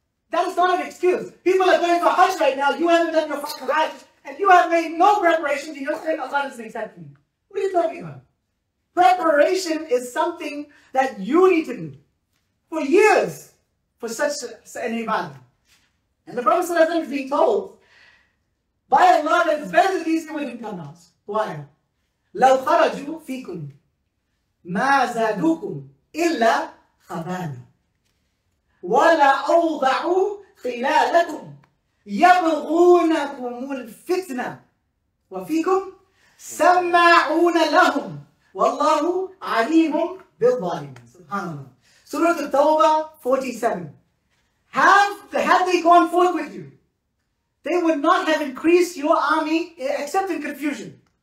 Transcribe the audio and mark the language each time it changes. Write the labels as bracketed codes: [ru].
[en] That is not an excuse. People are going for hajj right now, you haven't done your fucking hajj, and you have made no preparations, and you're saying Allah doesn't accept me. What are you talking about? Preparation is something that you need to do for years for such an ibadah. And the Prophet is being told by Allah that it's better these people didn't come out. Why? [ar] لَوْ خَرَجُوا فِيكُمْ مَا زَادُوكُمْ إِلَّا خَبَالًا وَلَا أَوْضَعُوا خِلَالَكُمْ يَبْغُونَكُمُ الْفِتْنَةِ وَفِيكُمْ سَمَّعُونَ لَهُمْ وَاللَّهُ عَلِيمٌ بِالظَّالِمِينَ SubhanAllah. [en] Surah Al-Tawbah 47. Had they gone forth with you, they would not have increased your army except in confusion.